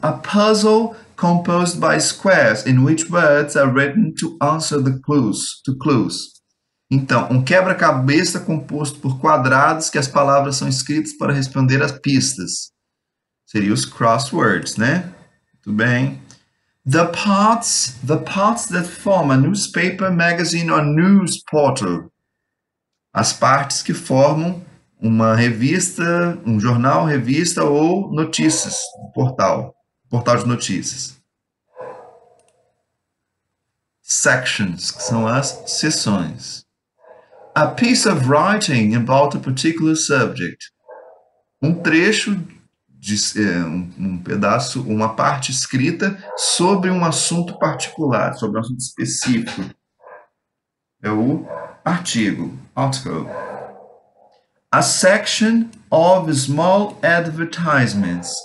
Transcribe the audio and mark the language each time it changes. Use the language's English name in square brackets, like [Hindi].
[English] A puzzle composed by squares in which words are written to answer the clues. To clues. [Portuguese] Então, um quebra-cabeça composto por quadrados que as palavras são escritas para responder às pistas. Seria os crosswords, né? Tudo bem. [English] The parts that form a newspaper, magazine or news portal. [Portuguese] As partes que formam uma revista, um jornal, revista ou notícias, um portal. Portal de notícias. Sections, que são as seções. [English] A piece of writing about a particular subject. [Portuguese] Um trecho de um pedaço, uma parte escrita sobre um assunto particular, sobre um assunto específico. É o artigo, [English] article. A section of small advertisements.